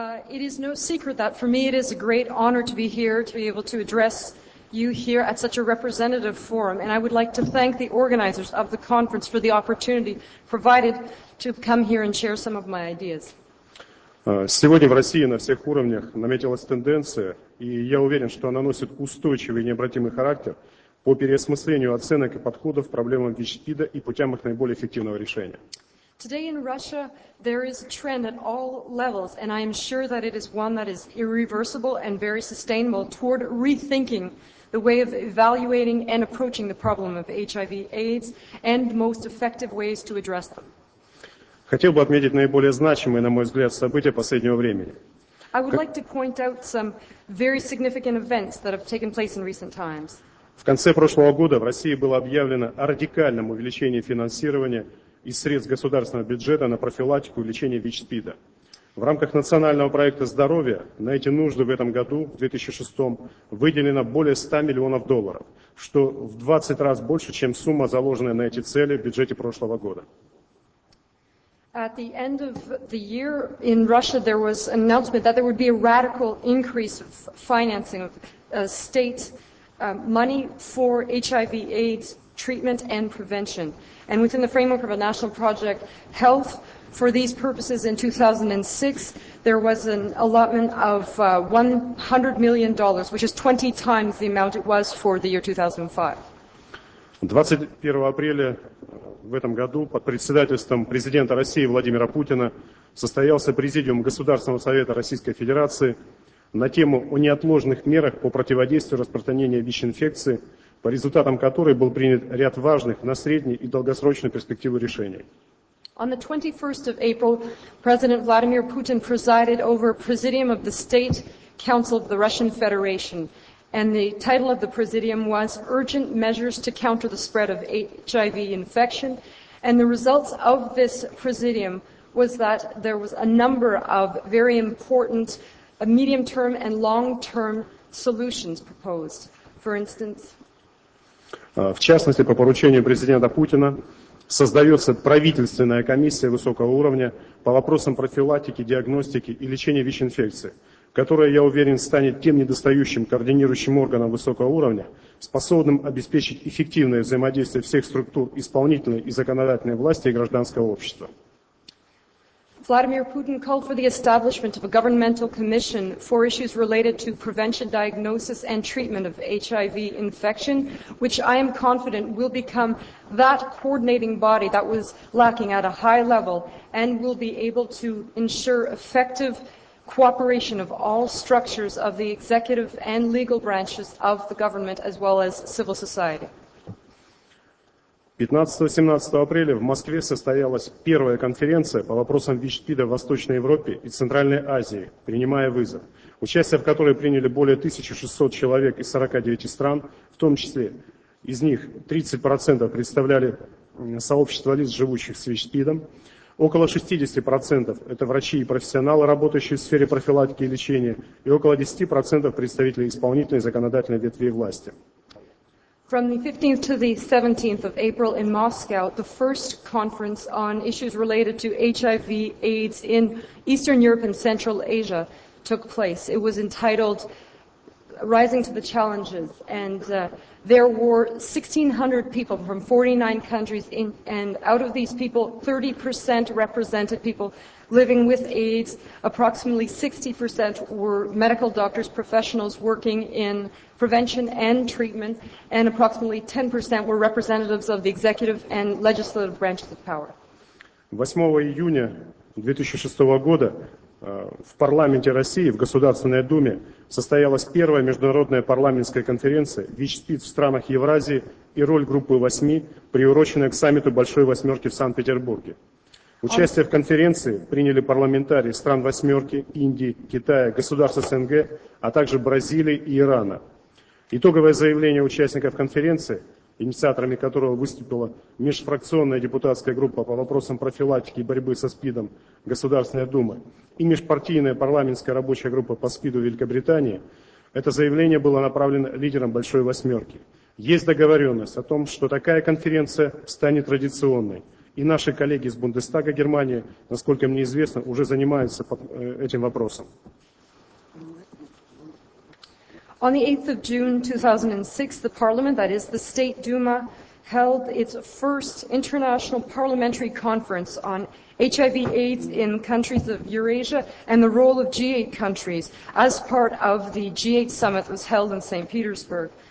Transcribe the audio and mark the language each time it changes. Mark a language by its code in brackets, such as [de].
[en] It is no secret that for me it is a great honor to be here, to be able to address you here at such a representative forum, and I would like to thank the organizers of the conference for the opportunity provided to come here and share some of my ideas. [ru] Сегодня в России на всех уровнях наметилась тенденция, и я уверен, что она носит устойчивый и необратимый характер по переосмыслению оценок и подходов к проблемам ВИЧ-СПИДа и путям их наиболее эффективного решения. [en] Today in Russia, there is a trend at all levels, and I am sure that it is one that is irreversible and very sustainable toward rethinking the way of evaluating and approaching the problem of HIV/AIDS and the most effective ways to address them. [ru] Хотел бы отметить наиболее значимые, на мой взгляд, события последнего времени. [en] I would like to point out some very significant events that have taken place in recent times. [ru] В конце прошлого года в России было объявлено о радикальном увеличении финансирования из средств государственного бюджета на профилактику и лечение ВИЧ-СПИДа. В рамках национального проекта «Здоровье» на эти нужды в этом году, в 2006, выделено более 100 миллионов долларов, что в 20 раз больше, чем сумма, заложенная на эти цели в бюджете прошлого года. [en] At the end of the year in Russia, there was an announcement that there would be a radical increase of financing of state money for HIV/AIDS treatment and prevention. And within the framework of a national project, Health, for these purposes in 2006, there was an allotment of $100 million, which is 20 times the amount it was for the year 2005. [ru] 21 апреля в этом году под председательством президента России Владимира Путина состоялся президиум Государственного совета Российской Федерации на тему о неотложных мерах по противодействию распространению ВИЧ-инфекции, по результатам которой был принят ряд важных на средней и долгосрочной перспективы решений. [en] On the 21st of April, President Vladimir Putin presided over Presidium of the State Council of the Russian Federation, and the title of the Presidium was Urgent Measures to Counter the Spread of HIV Infection, and the results of this Presidium was that there was a number of very important medium-term and long-term solutions proposed. For instance, [ru] в частности, по поручению президента Путина создается правительственная комиссия высокого уровня по вопросам профилактики, диагностики и лечения ВИЧ-инфекции, которая, я уверен, станет тем недостающим координирующим органом высокого уровня, способным обеспечить эффективное взаимодействие всех структур исполнительной и законодательной власти и гражданского общества. [en] Vladimir Putin called for the establishment of a governmental commission for issues related to prevention, diagnosis, and treatment of HIV infection, which I am confident will become that coordinating body that was lacking at a high level and will be able to ensure effective cooperation of all structures of the executive and legal branches of the government as well as civil society. [ru] 15-17 апреля в Москве состоялась первая конференция по вопросам ВИЧ-СПИДа в Восточной Европе и Центральной Азии, принимая вызов, участие в которой приняли более 1600 человек из 49 стран, в том числе из них 30% представляли сообщество лиц, живущих с ВИЧ-СПИДом, около 60% это врачи и профессионалы, работающие в сфере профилактики и лечения, и около 10% представители исполнительной и законодательной ветви власти. [en] From the 15th to the 17th of April in Moscow, the first conference on issues related to HIV/AIDS in Eastern Europe and Central Asia took place. It was entitled Rising to the Challenges, and there were 1,600 people from 49 countries, and out of these people, 30% represented people living with AIDS. Approximately 60% were medical doctors, professionals working in prevention and treatment, and approximately 10% were representatives of the executive and legislative branches of power. [ru] 8 июня 2006 года в парламенте России, в Государственной Думе, состоялась первая международная парламентская конференция ВИЧ-СПИД в странах Евразии и роль группы 8, приуроченная к саммиту Большой Восьмерки в Санкт-Петербурге. Участие в конференции приняли парламентарии стран Восьмерки, Индии, Китая, государств СНГ, а также Бразилии и Ирана. Итоговое заявление участников конференции, инициаторами которого выступила межфракционная депутатская группа по вопросам профилактики и борьбы со СПИДом Государственной Думы и межпартийная парламентская рабочая группа по СПИДу Великобритании, это заявление было направлено лидерам Большой Восьмерки. Есть договоренность о том, что такая конференция станет традиционной, и наши коллеги из Бундестага Германии, насколько мне известно, уже занимаются этим вопросом. [en] On the 8th of June 2006, the parliament, that is the State Duma, held its first international parliamentary conference on HIV/AIDS in countries of Eurasia and the role of G8 countries as part of the G8 summit that was held in St. Petersburg.